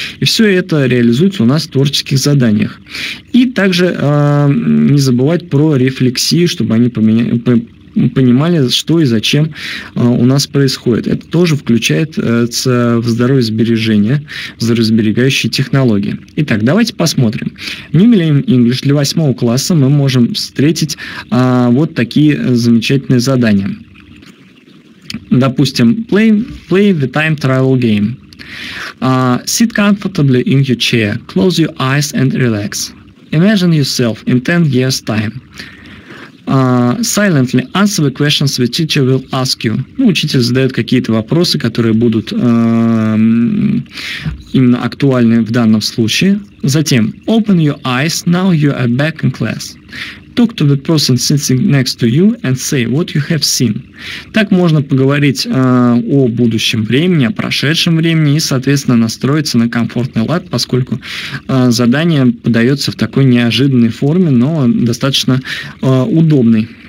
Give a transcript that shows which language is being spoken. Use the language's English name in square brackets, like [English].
[Russian] И все это реализуется у нас в творческих заданиях. И также не забывать про рефлексию, чтобы они понимали, что и зачем у нас происходит. Это тоже включается в здоровьесбережение, в здоровьесберегающие технологии. Итак, давайте посмотрим. В New Millennium English для 8 класса мы можем встретить вот такие замечательные задания. Допустим, [English] play the time trial game. Sit comfortably in your chair, close your eyes and relax. Imagine yourself in 10 years time. Silently answer the questions the teacher will ask you. [Russian] Ну, учитель задает какие-то вопросы, которые будут именно актуальны в данном случае. Затем, [English] open your eyes, now you are back in class. Talk to the person sitting next to you and say what you have seen. [Russian] Так можно поговорить о будущем времени, о прошедшем времени и, соответственно, настроиться на комфортный лад, поскольку задание подается в такой неожиданной форме, но достаточно удобной.